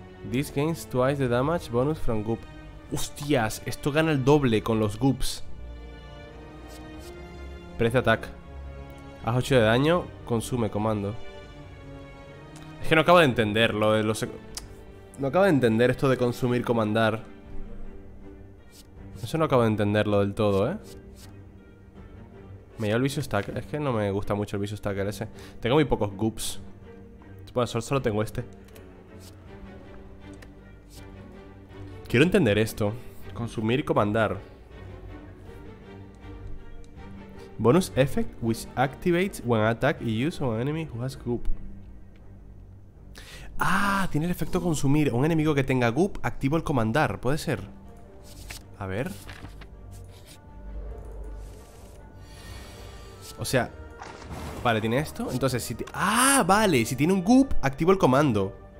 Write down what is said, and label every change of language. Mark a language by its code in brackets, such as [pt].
[en] This gains twice the damage bonus from goop. [es] Hostias, esto gana el doble con los goops. Press attack. Haz 8 de daño, consume comando. Es que no acabo de entender lo de los... No acabo de entender esto de consumir comandar. Eso no acabo de entenderlo del todo, ¿eh? Me llevo el Vicious Tackle. Es que no me gusta mucho el Vicious Tackle ese. Tengo muy pocos goops. Bueno, solo tengo este. Quiero entender esto. Consumir y comandar. [en] Bonus effect which activates when attack y use on an enemy who has goop. [es] Ah, tiene el efecto consumir. Un enemigo que tenga goop, activo el comandar. Puede ser. A ver. O sea, vale, tiene esto. Entonces, si tiene un goop, activo el comando.